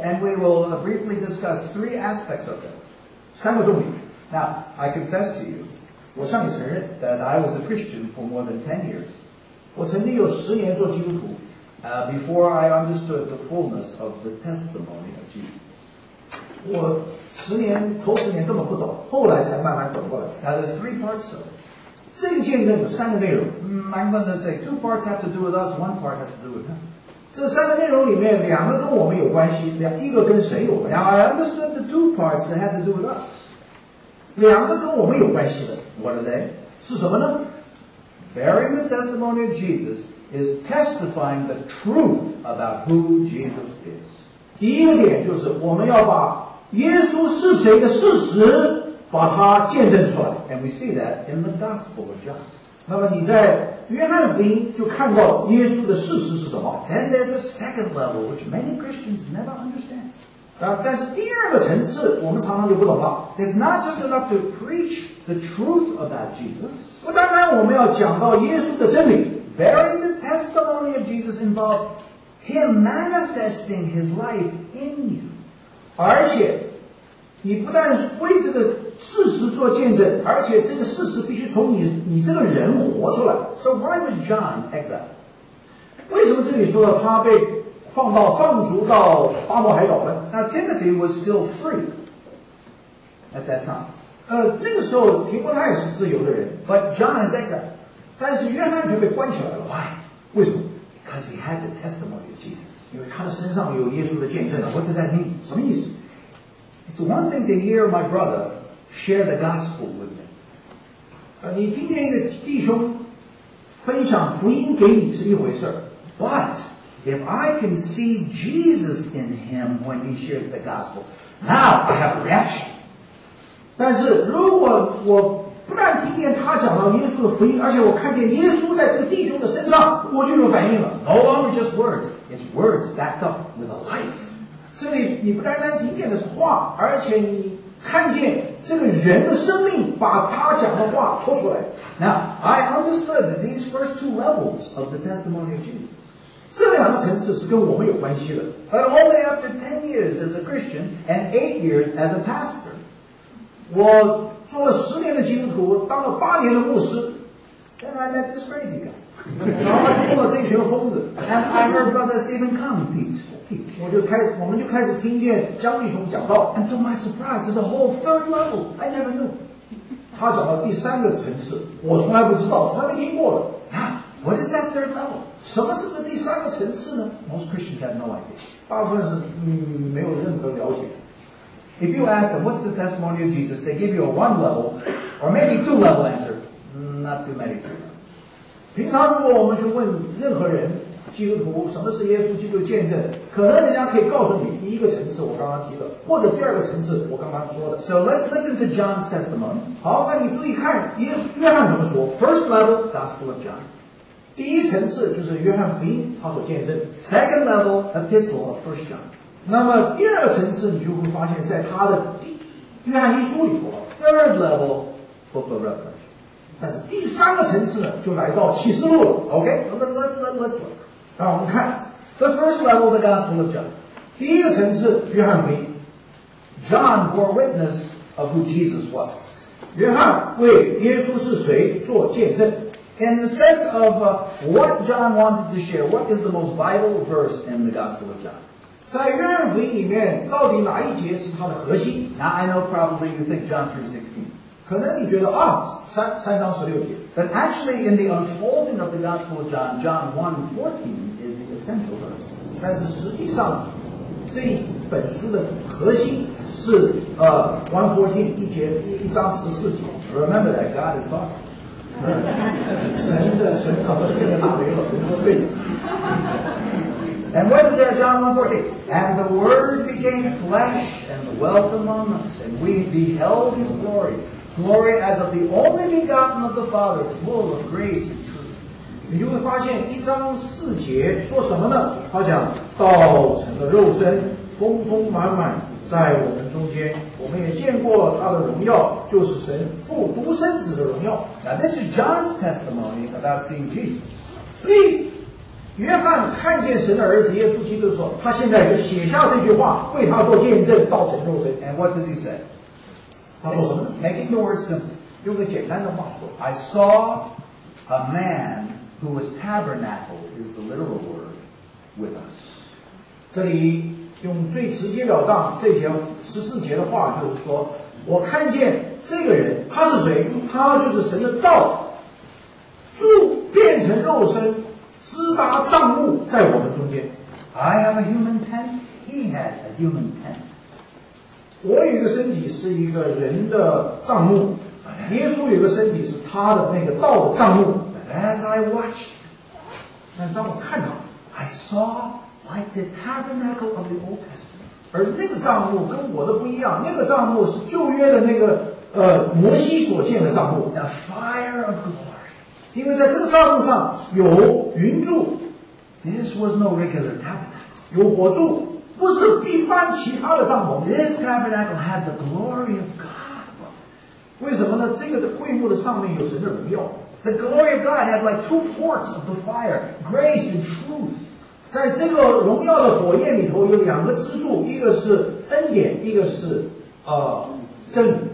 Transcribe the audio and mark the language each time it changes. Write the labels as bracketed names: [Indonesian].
[English] And we will briefly discuss three aspects of it. [Chinese] 三个重点。 [English] Now, I confess to you, [Chinese] 我向你承认 [English] that I was a Christian for more than 10 years. [Chinese] 我曾经有十年做基督徒。 [English] Before I understood the fullness of the testimony of Jesus. [Chinese] 我十年头十年根本不懂，后来才慢慢懂过来。 [English] Now there's three parts of [Chinese] it. 这个见证有三个内容。 [English] I'm going to say two parts have to do with us, one part has to do with him. [Chinese] 这三个内容里面两个跟我们有关系，一个跟谁有关系？ [English] Now I understood the two parts that had to do with us. [Chinese] 两个跟我们有关系的。 [English] What are they? [Chinese] 是什么呢？ [English] Bearing the testimony of Jesus is testifying the truth about who Jesus is. [Chinese] 第一个点就是我们要把耶稣是谁的事实把它见证出来。 [English] And we see that in the Gospel of John. [Chinese] 那么你在约翰福音就看到耶稣的事实是什么。 [English] And there's a second level which many Christians never understand. [Chinese] 但是第二个层次我们常常就不懂了。 [English] It's not just enough to preach the truth about Jesus. [Chinese] 不单单我们要讲到耶稣的真理。 [English] Bearing the testimony of Jesus involvedHim manifesting his life in you. [Chinese] 而且你不但为这个事实做见证，而且这个事实必须从 你这个人活出来。 [English] So why was John exiled? [Chinese] 为什么这里说他被放逐到巴莫海岛呢？ [English] Now Timothy was still free at that time. [Chinese] 那个时候提摩太是自由的人。 [English] But John is exiled. [Chinese] 但是约翰却被关起来了。 [English] Why? [Chinese] 为什么？ [English] Because he had the testimony of Jesus. [Chinese] 因为他的身上有耶稣的见证。 [English] What does that mean? [Chinese] 什么意思？ [English] It's one thing to hear my brother share the gospel with me. [Chinese] 你听见一个弟兄分享福音给你是一回事。 [English] But if I can see Jesus in him when he shares the gospel, now I have a reaction. [Chinese] 但是如果我不但听见他讲到耶稣的福音，而且我看见耶稣在这个弟兄的身上，我就有反应了。 [English] No longer just words, it's words backed up with a life. [Chinese] 所以你不单单听见的是话，而且你看见这个人的生命把他讲的话拖出来。 [English] Now, I understood that these first two levels of the testimony of Jesus. [Chinese] 这两个层次是跟我们有关系的。 [English] But only after 10 years as a Christian and 8 years as a pastor. [Chinese] 我做了十年的基督徒，当了八年的牧师。 [English] Then I met this crazy guy. [Chinese] 然后碰到这一群疯子。 [English] And I heard Brother Stephen come teach. [Chinese] 我们就开始听见姜立雄讲道。 [English] And to my surprise, there's a whole third level. I never knew. [Chinese] 他讲到第三个层次，我从来不知道，从来没听过的。 [English] What is that third level? [Chinese] 什么是这第三个层次呢？ [English] Most Christians have no idea. [Chinese] 大部分是没有任何了解。 [English] If you ask them, what's the testimony of Jesus? They give you a one level, or maybe two level answer. Not too many. [Chinese] 平常如果我们去问任何人，基督徒，什么是耶稣基督的见证？可能人家可以告诉你第一个层次我刚刚提的，或者第二个层次我刚刚说的。 [English] So let's listen to John's testimony. [Chinese] 好，那你注意看约翰怎么说。 [English] First level, Gospel of John. [Chinese] 第一层次就是约翰福音他所见证。 [English] Second level, Epistle of First John. [Chinese] 那么第二层次你就会发现在他的约翰一书里头。 [English] Third level, Book of Revelation. [Chinese] 但是第三个层次呢就来到启示录了。 [English] OK, let's look. [Chinese] 让我们看 [English] the first level of the Gospel of John. [Chinese] 第一个层次，约翰福音。 [English] John bore witness of who Jesus was. [Chinese] 约翰为耶稣是谁做见证。 [English] In the sense of what John wanted to share, what is the most vital verse in the Gospel of John? [Chinese] 在约翰福音里面，到底哪一节是它的核心？ [English] Now I know probably you think John 3:16. [Chinese] 可能你觉得啊，三章十六节。 [English] But actually, in the unfolding of the Gospel of John, John 1:14 is the essential verse. [Chinese] 但是实际上，这本书的核心是1:14一节一章十四节。 [English] Remember that God is God. [Chinese] 神可能现在拿没了，神说对了。 [English] And what is that, John 1:14? And the Word became flesh and dwelt among us, and we beheld His glory. Glory as of the only begotten of the Father, full of grace and truth. [Chinese] 你就会发现一章四节说什么呢？他讲道成了肉身，丰丰满满在我们中间。我们也见过他的荣耀，就是神父独生子的荣耀。 [English] Now this is John's testimony about seeing Jesus. [Chinese] 所以约翰看见神的儿子耶稣基督的时候，他现在就写下这句话，为他做见证，道成肉身。 [English] And what does he say? [Chinese] 他说什么呢 [English] Making the word simple, [Chinese] 用个简单的话说 [English] I saw a man who was tabernacled, is the literal word, with us. [Chinese] 这里用最直接了当这节十四节的话就是说我看见这个人他是谁他就是神的道住变成肉身支搭帐幕在我们中间 [English] I have a human tent, he had a human tent. [Chinese] 我有一个身体是一个人的帐幕耶稣有个身体是他的那个道的帐幕 [English] But as I watched [Chinese] 但当我看到 [English] I saw like the tabernacle of the Old Testament [Chinese] 而那个帐幕跟我的不一样那个帐幕是旧约的那个摩西所建的帐幕 [English] The fire of glory [Chinese] 因为在这个帐幕上有云柱 [English] This was no regular tabernacle [Chinese] 有火柱不是一般其他的帐篷。 [English] This tabernacle had the glory of God. [Chinese] 为什么呢？这个的会幕的上面有神的荣耀。 [English] The glory of God had like two forks of the fire, grace and truth. [Chinese] 在这个荣耀的火焰里头有两个支柱，一个是恩典，一个是真理。